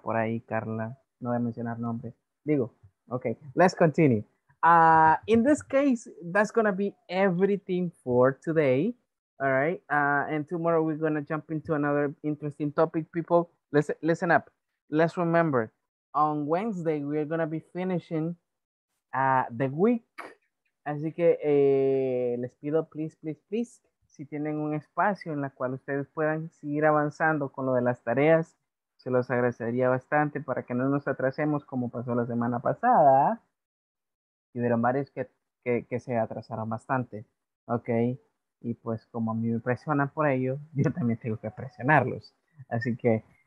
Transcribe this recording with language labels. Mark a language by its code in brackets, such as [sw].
[es] Por ahí, Carla, no voy a mencionar nombre. Digo, [en] okay, let's continue. In this case, that's gonna be everything for today, all right? And tomorrow we're gonna jump into another interesting topic, people. Listen up. Let's remember, on Wednesday, we're gonna be finishing the week, [es] así que les pido, [en] please, [es] si tienen un espacio en la cual ustedes puedan seguir avanzando con lo de las tareas, se los agradecería bastante para que no nos atrasemos como pasó la semana pasada, y hubieron varios que se atrasaron bastante, ok, y pues como a mí me presionan por ello, yo también tengo que presionarlos, así que